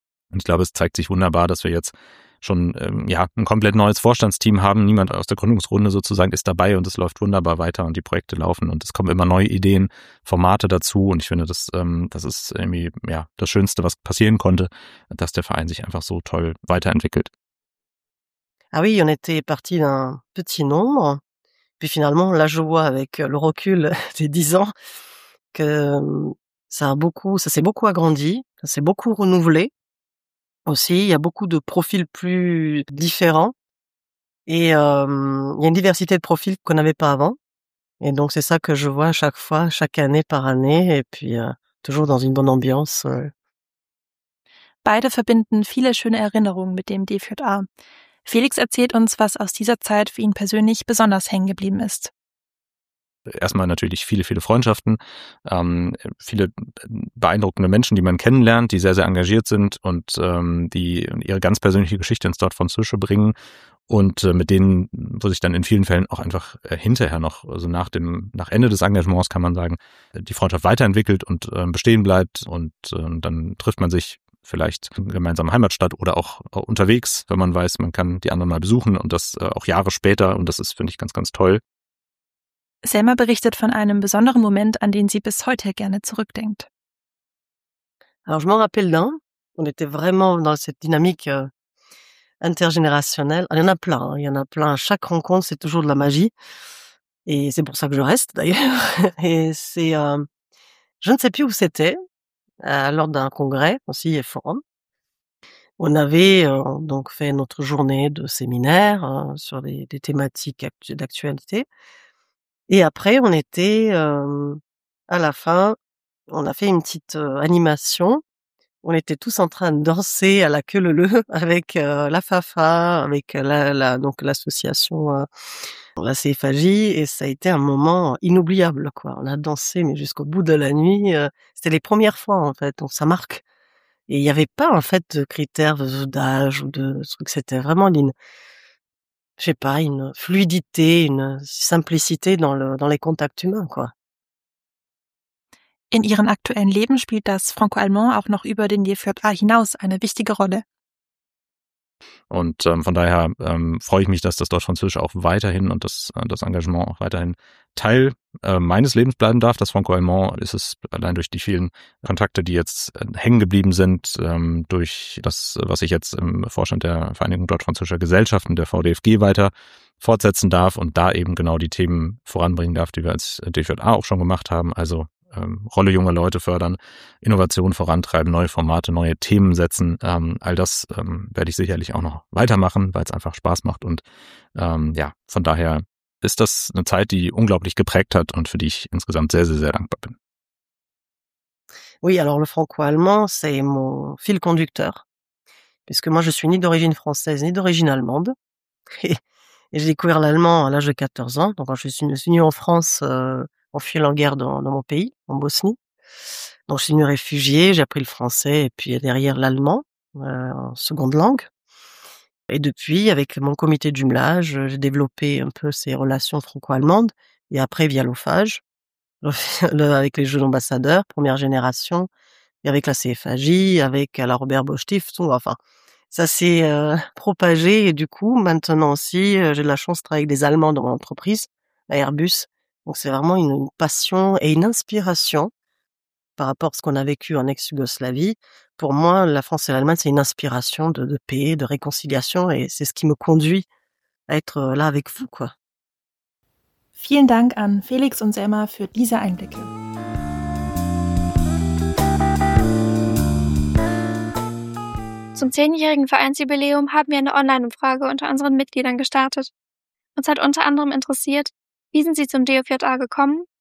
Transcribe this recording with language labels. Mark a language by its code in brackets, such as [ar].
[de] Und ich glaube, es zeigt sich wunderbar, dass wir jetzt schon ein komplett neues Vorstandsteam haben. Niemand aus der Gründungsrunde sozusagen ist dabei und es läuft wunderbar weiter und die Projekte laufen und es kommen immer neue Ideen, Formate dazu. Und ich finde, das ist irgendwie das Schönste, was passieren konnte, dass der Verein sich einfach so toll weiterentwickelt. [fr] Ah oui, on était parti d'un petit nombre. Puis finalement, là, je vois avec le recul des 10 ans que ça s'est beaucoup agrandi, ça s'est beaucoup renouvelé. Aussi, il y a beaucoup de profils plus différents et il y a une diversité de profils qu'on n'avait pas avant. Et donc, c'est ça que je vois à chaque fois, chaque année par année et puis toujours dans une bonne ambiance. [de] Beide verbinden viele schöne Erinnerungen mit dem DFJA. Felix erzählt uns, was aus dieser Zeit für ihn persönlich besonders hängen geblieben ist. Erstmal natürlich viele, viele Freundschaften, viele beeindruckende Menschen, die man kennenlernt, die sehr, sehr engagiert sind und die ihre ganz persönliche Geschichte ins Dort von Zwische bringen und mit denen, wo sich dann in vielen Fällen auch einfach hinterher noch, also nach Ende des Engagements, kann man sagen, die Freundschaft weiterentwickelt und bestehen bleibt und dann trifft man sich vielleicht in einer gemeinsamen Heimatstadt oder auch unterwegs, wenn man weiß, man kann die anderen mal besuchen und das auch Jahre später und das ist, finde ich, ganz, ganz toll. Selma berichtet von einem besonderen Moment, an den sie bis heute gerne zurückdenkt. [fr] Alors, je m'en rappelle d'un. On était vraiment dans cette dynamique intergénérationnelle. Il y en a plein. Il y en a plein. Chaque rencontre, c'est toujours de la magie. Et c'est pour ça que je reste, d'ailleurs. Et c'est, je ne sais plus où c'était, lors d'un congrès, aussi, et forum. On avait donc fait notre journée de séminaire sur des thématiques d'actualité. Et après, on était à la fin, on a fait une petite animation. On était tous en train de danser à la queue leu-leu avec la FAFA, avec l'association, la CFAJ. Et ça a été un moment inoubliable, quoi. On a dansé, mais jusqu'au bout de la nuit. C'était les premières fois, en fait, donc ça marque. Et il n'y avait pas, en fait, de critères d'âge ou de trucs. C'était vraiment l'in. Je sais pas, une fluidité, une simplicité dans les contacts humains, quoi. [de] In ihrem aktuellen Leben spielt das Franco-Allemand auch noch über den DFJA hinaus eine wichtige Rolle. Und von daher freue ich mich, dass das Deutsch-Französische auch weiterhin und das Engagement auch weiterhin Teil meines Lebens bleiben darf. Das Franco-Allemand ist es allein durch die vielen Kontakte, die jetzt hängen geblieben sind, durch das, was ich jetzt im Vorstand der Vereinigung Deutsch-Französischer Gesellschaften, der VDFG, weiter fortsetzen darf und da eben genau die Themen voranbringen darf, die wir als DFJA auch schon gemacht haben. Also Rolle junger Leute fördern, Innovation vorantreiben, neue Formate, neue Themen setzen. All das werde ich sicherlich auch noch weitermachen, weil es einfach Spaß macht. Und von daher ist das eine Zeit, die unglaublich geprägt hat und für die ich insgesamt sehr, sehr, sehr dankbar bin. [fr] Oui, alors le franco-allemand, c'est mon fil conducteur. Puisque moi, je suis ni d'origine française, ni d'origine allemande. Et j'ai découvert l'allemand à l'âge de 14 ans. Donc, quand je suis venu en France, on fuit la guerre dans mon pays, en Bosnie. Donc, je suis une réfugiée, j'ai appris le français et puis derrière l'allemand, en seconde langue. Et depuis, avec mon comité de jumelage, j'ai développé un peu ces relations franco-allemandes. Et après, via l'OFAGE, avec les jeux d'ambassadeurs, première génération, et avec la CFAJ, avec la Robert Bosch Stiftung, enfin, ça s'est propagé. Et du coup, maintenant aussi, j'ai de la chance de travailler avec des Allemands dans mon entreprise, à Airbus. Donc c'est vraiment une passion et une inspiration par rapport à ce qu'on a vécu en ex-Yougoslavie. Pour moi, la France et l'Allemagne, c'est une inspiration de paix, de réconciliation et c'est ce qui me conduit à être là avec vous, quoi. [de] Vielen Dank an Felix und Selma für diese Einblicke. Zum 10-jährigen Vereinsjubiläum haben wir eine Online-Umfrage unter unseren Mitgliedern gestartet. Uns hat unter anderem interessiert, wie sind Sie zum DFJA gekommen?